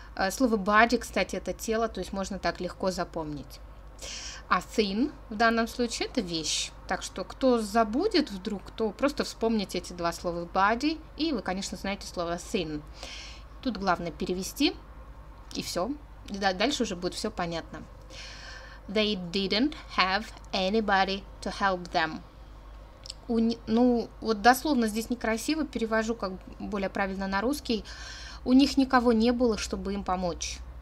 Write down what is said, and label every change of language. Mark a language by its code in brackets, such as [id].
[ru] Слово body, кстати, это тело, то есть можно так легко запомнить. А thing в данном случае это вещь. Так что кто забудет вдруг, то просто вспомните эти два слова body, и вы, конечно, знаете слово thing. Тут главное перевести, и все. Дальше уже будет все понятно. [en] They didn't have anybody to help them. [ru] Ну, вот дословно здесь некрасиво, перевожу как более правильно на русский. У них никого не было, чтобы им помочь.